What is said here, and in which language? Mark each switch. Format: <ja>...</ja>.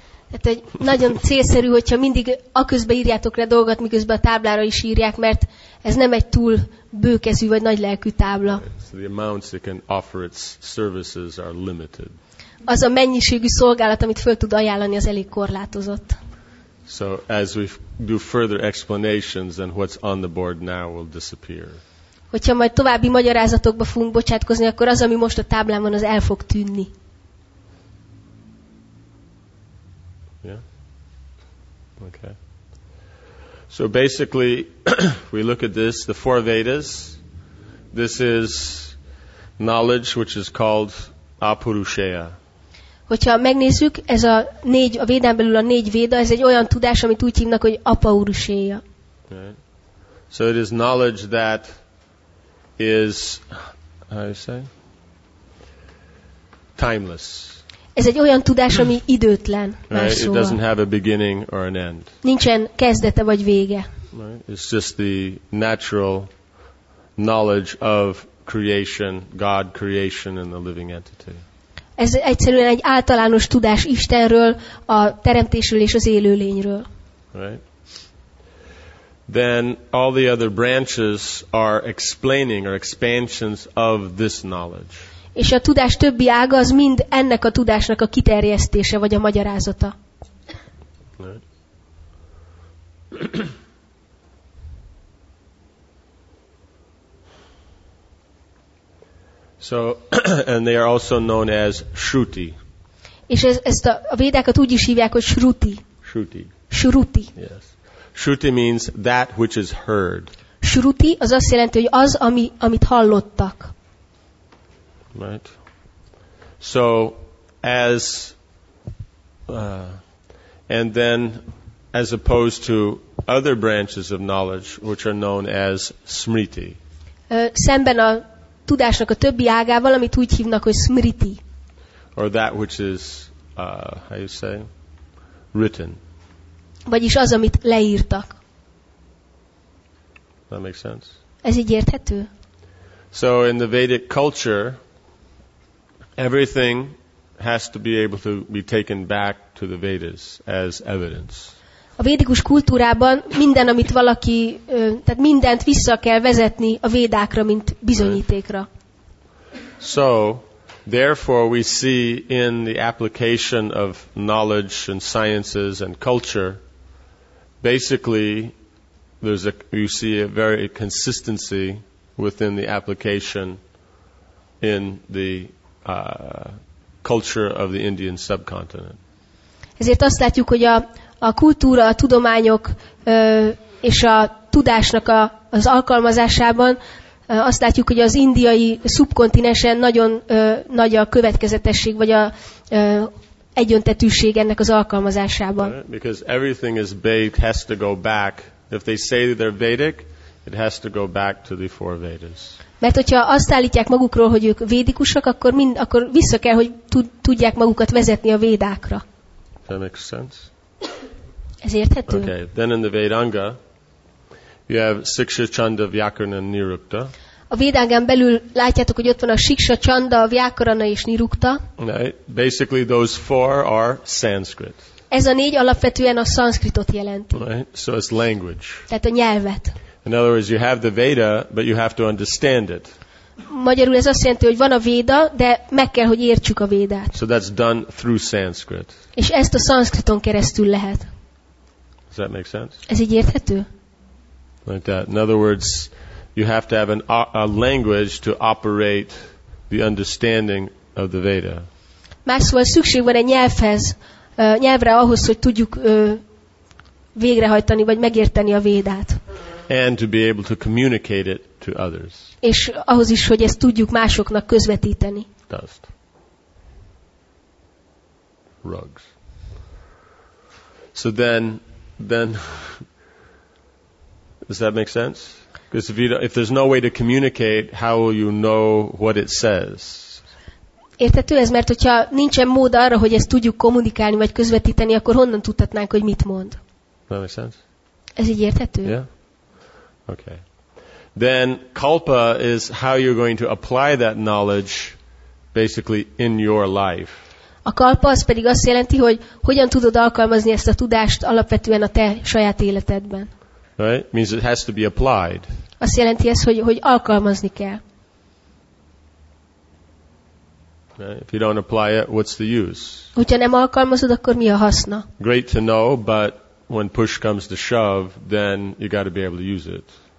<hu>Tehát egy nagyon célszerű, hogyha mindig aközben írjátok le dolgot, miközben a táblára is írják, mert ez nem egy túl bőkezű vagy nagy lelkű tábla.</hu> <en>So the amounts it can offer its services are limited.</en> <hu>Az a mennyiségű szolgálat, amit föl tud ajánlani, az elég korlátozott.</hu> <en>So as we do further explanations, then what's on the board now will disappear.</en> <hu>Hogyha majd további magyarázatokba fogunk bocsátkozni, akkor az, ami most a táblán van, az el fog tűnni.</hu> <en>Yeah. Okay. So basically, we look at this, the four Vedas. This is knowledge which is called apurusheya.</en> <hu>Hogyha megnézzük, ez a négy, a Védán belül a négy Véda, ez egy olyan tudás, amit úgy hívnak, hogy apurusheya.</hu> <en>Right. So it is knowledge that is, how you say, timeless.</en> <hu>Ez egy olyan tudás, ami időtlen.</hu> <en>Right, it doesn't have a beginning or an end.</en> <hu>Nincsen kezdete vagy vége.</hu> <en>Right, it's just the natural knowledge of creation, God creation and the living entity.</en> <hu>Ez egyszerűen egy általános tudás Istenről, a teremtésről és az élőlényről.</hu> <en>Right. Then all the other branches are explaining or expansions of this knowledge.</en> <hu>És a tudás többi ága az mind ennek a tudásnak a kiterjesztése vagy a magyarázata.</hu> <en>So and they are also known as Shruti.</en> <hu>És ezt a védákat úgy is hívják, hogy Shruti.</hu> <en>Shruti. Shruti. Yes. Shruti means that which is heard.</en> <hu>Shruti az azt jelenti, hogy az, amit hallottak.</hu> <en>Right. So as and then as opposed to other branches of knowledge which are known as smriti.</en> <hu>Szemben a tudásnak a többi ágával, amit úgy hívnak, hogy smriti.</hu> <en>Or that which is how you say written.</en> <hu>Vagyis az, amit leírtak.</hu> <en>That makes sense.</en> <hu>Ez így érthető?</hu> <en>So in the Vedic culture everything has to be able to be taken back to the Vedas as evidence.</en> <hu>A védikus kultúrában minden, amit valaki, tehát mindent vissza kell vezetni a védákra, mint bizonyítékra.</hu> <en>So, therefore we see in the application of knowledge and sciences and culture, basically you see a very consistency within the application in the culture of the Indian subcontinent.</en> <hu>Ezért azt látjuk, hogy a kultúra, a tudományok és a tudásnak az alkalmazásában azt látjuk, hogy az indiai szubkontinensen nagyon nagy a következetesség vagy a egyöntetűség ennek az alkalmazásában.</hu> <en>Right? Because everything is Vedic has to go back. If they say they're Vedic, it has to go back to the four Vedas.</en> <hu>Mert hogyha azt állítják magukról, hogy ők védikusak, akkor vissza kell, hogy tudják magukat vezetni a védákra.</hu> <en>That makes sense.</en> <hu>Ez érthető?</hu> <en>Okay. Then in the Vedanga, you have Siksha, Chanda, Vyakarana, Nirukta.</en> <hu>A Vedangán belül látjátok, hogy ott van a Siksha, Chanda, Vyakarana és Nirukta.</hu> <en>Right. Basically those four are Sanskrit.</en> <hu>Ez a négy alapvetően a szanszkritot jelenti.</hu> <en>Right? So it's language.</en> <hu>Tehát a nyelvet.</hu> <en>In other words, you have the Veda, but you have to understand it.</en> <hu>Magyarul ez azt jelenti, hogy van a Véda, de meg kell, hogy értsük a Védát.</hu> <en>So that's done through Sanskrit.</en> <hu>És ezt a szanszkriton keresztül lehet.</hu> <en>Does that make sense?</en> <hu>Ez így érthető?</hu> <en>Like that. In other words, you have to have a language to operate the understanding of the Veda.</en> <hu>Más szóval szükség van egy nyelvhez, nyelvre ahhoz, hogy tudjuk végrehajtani vagy megérteni a Védát.</hu> <en>And to be able to communicate it to others.</en> <hu>És ahhoz is, hogy ezt tudjuk másoknak közvetíteni.</hu> <en>Dust. Rugs. So then does that make sense? Because if there's no way to communicate, how will you know what it says?</en> <hu>Értető ez, mert hogyha nincsen mód arra, hogy ezt tudjuk kommunikálni vagy közvetíteni, akkor honnan tudhatnánk, hogy mit mond?</hu> <en>That makes sense?</en> <hu>Ez így érthető?</hu> <en>Yeah. Okay. Then kalpa is how you're going to apply that knowledge basically in your life.</en> <hu>A kalpa az pedig azt jelenti, hogy hogyan tudod alkalmazni ezt a tudást alapvetően a te saját életedben.</hu> <en>Right? Means it has to be applied.</en> <hu>Azt jelenti ez, hogy alkalmazni kell.</hu> <en>Right? If you don't apply it, what's the use?</en> <hu>Hogyha nem alkalmazod, akkor mi a haszna?</hu> <en>Great to know, but when push comes to shove, then you got to be able to use it.</en>